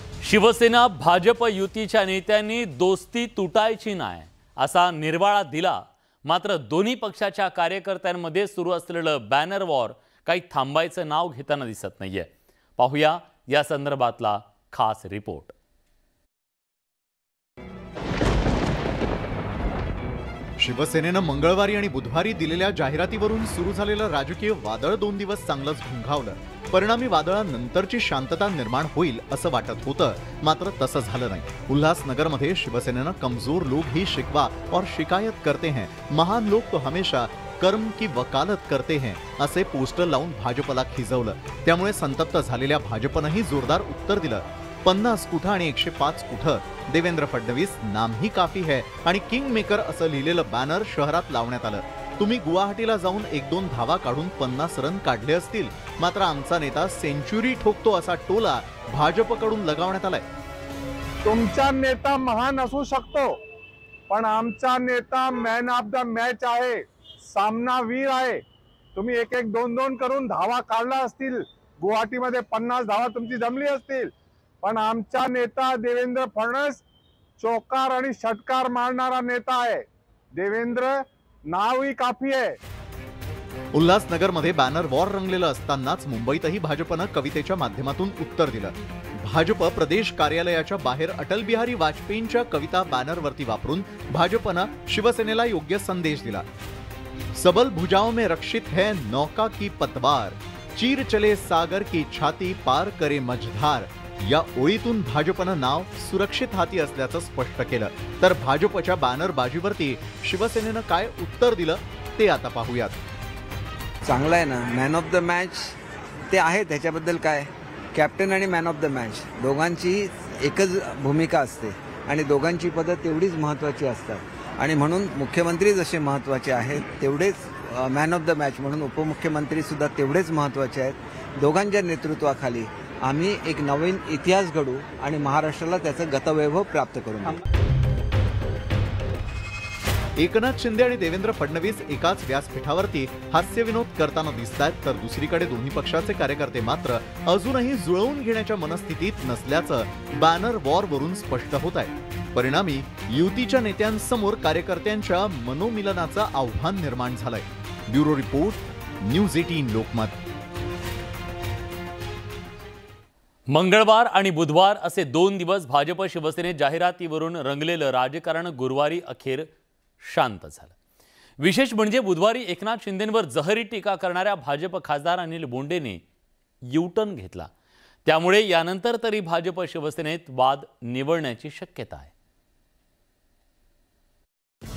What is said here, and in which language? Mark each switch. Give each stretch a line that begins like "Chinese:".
Marathi: शिवसेना भाजप युतीच्या नेत्यांनी दोस्ती तुटायची नाही असा निर्वाळा दिला, मात्र दोन्ही पक्षाच्या कार्यकर्त्यांमध्ये सुरू असलेलं बॅनर वॉर काही थांबायचं नाव घेताना दिसत नाहीये। पाहूया या संदर्भातला खास रिपोर्ट। शिवसेनेनं मंगळवारी आणि बुधवारी दिलेल्या जाहिरातीवरून सुरू झालेलं राजकीय वादळ दोन दिवस चांगलंच घुंघावलं। परिणामी वादळानंतरची शांतता निर्माण होईल असं वाटत होतं, मात्र तसं झालं नाही। उल्हासनगरमध्ये शिवसेनेनं
Hindi: कमजोर लोक ही शिकवा और शिकायत करते हैं, महान लोक तो हमेशा कर्म की वकालत करते हैं
Marathi: असे पोस्टर लावून भाजपला खिजवलं। त्यामुळे संतप्त झालेल्या भाजपनंही जोरदार उत्तर दिलं। 50 कुठं आणि 105 कुठं, देवेंद्र फडणवीस
Hindi: नाम ही काफी है
Marathi: आणि किंग मेकर असं लिहिलेलं बॅनर शहरात लावण्यात आलं। तुम्ही गुवाहाटीला जाऊन एक दोन धावा काढून 50 रन काढले असतील, मात्र आमचा नेता सेंचुरी ठोकतो असा टोला भाजपकडून लगावण्यात आलाय। तुमचा नेता महान असू शकतो, पण आमचा नेता मॅन ऑफ द मॅच आहे, सामनावीर आहे। तुम्ही एक एक दोन दोन करून धावा काढला असतील, गुवाहाटीमध्ये 50 धावा तुमची जमली असतील, पण आमचा नेता देवेंद्र फडणवीस चौकार आणि षटकार मारणारा नेता आहे। देवेंद्र नावही काफी आहे। उल्हासनगरमध्ये बॅनर वॉर रंगलेलं असतानाच मुंबईतही भाजपनं कवितेच्या माध्यमातून उत्तर दिलं। भाजप प्रदेश कार्यालयाच्या बाहेर अटल बिहारी वाजपेयींच्या कविता बॅनरवरती वापरून भाजपनं शिवसेनेला योग्य संदेश दिला।
Hindi: सबल भुजाओं में रक्षित है नौका की पतवार, चीर चले सागर की छाती पार करे मझधार,
Marathi: या ओळीतून भाजपनं नाव सुरक्षित हाती असल्याचं स्पष्ट केलं। तर भाजपच्या बॅनर बाजीवरती शिवसेनेनं काय उत्तर दिलं ते आता पाहूयात। चांगलं आहे ना, मॅन ऑफ द मॅच ते आहे, त्याच्याबद्दल काय, कॅप्टन आणि मॅन ऑफ द मॅच दोघांची एकच भूमिका असते आणि दोघांची पदं तेवढीच महत्वाची असतात, आणि म्हणून मुख्यमंत्री जसे महत्वाचे आहेत तेवढेच मॅन ऑफ द मॅच म्हणून उपमुख्यमंत्री सुद्धा तेवढेच महत्वाचे आहेत। दोघांच्या नेतृत्वाखाली आम्ही एक नवीन इतिहास घडू आणि महाराष्ट्राला त्याचं गतवैभव प्राप्त करू। एकनाथ शिंदे आणि देवेंद्र फडणवीस एकाच व्यासपीठावरती हास्य विनोद करताना दिसतात, तर दुसरीकडे दोन्ही पक्षाचे कार्यकर्ते मात्र अजूनही जुळवून घेण्याच्या मनस्थितीत नसल्याचं बॅनर वॉर वरून स्पष्ट होत आहे। परिणामी युतीच्या नेत्यांसमोर कार्यकर्त्यांच्या मनोमिलनाचं आव्हान निर्माण झालंय। Bureau report, news 18 Lokmat. मंगळवार आणि बुधवार असे दोन दिवस भाजप शिवसेने जाहिरातीवरून रंगलेलं राजकारण गुरुवारी अखेर शांत झालं। विशेष म्हणजे बुधवारी एकनाथ शिंदेंवर जहरी टीका करणाऱ्या भाजप खासदार अनिल बोंडेने यूटर्न घेतला, त्यामुळे यानंतर तरी भाजप शिवसेनेत वाद निवळण्याची शक्यता आहे।